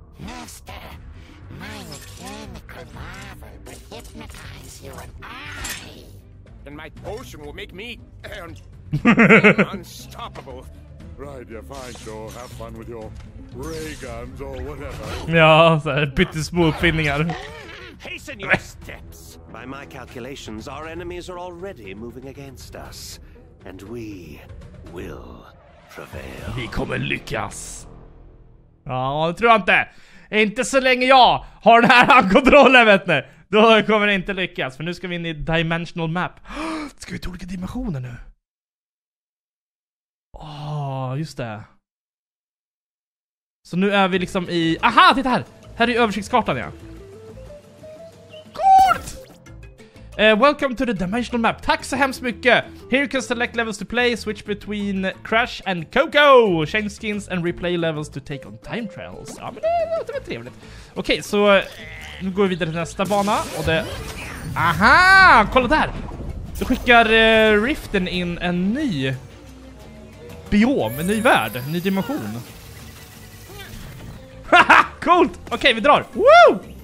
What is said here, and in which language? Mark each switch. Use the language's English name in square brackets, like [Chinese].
[English] Master, my mechanical marvel will hypnotize you and I. And my potion will make me and unstoppable. Right, yeah, fine, sure. Have fun with your ray guns or whatever. [Swedish] Ja, så här pyttesmå uppfinningar. [English] Hasten your steps. By my calculations, our enemies are already moving against us. And we will prevail. [Swedish] Vi kommer lyckas. Ja, det tror jag inte. Inte så länge jag har den här handkontrollen, vet ni. Då kommer det inte lyckas, för nu ska vi in i dimensional map. Ska vi ta olika dimensioner nu? Åh, just det. Så nu är vi liksom i... Aha, titta här! Här är översiktskartan, ja. [English] Coolt! Welcome to the dimensional map. [Swedish] Tack så hemskt mycket. [English] Here you can select levels to play. Switch between Crash and Coco. Change skins and replay levels to take on time trials. [Swedish] Ja, men det var trevligt. Okej, så nu går vi vidare till nästa bana. Och det... Aha, kolla där! Då skickar Riften in en ny... biom, en ny värld, en ny dimension. Haha, coolt! Okej, vi drar. Woo!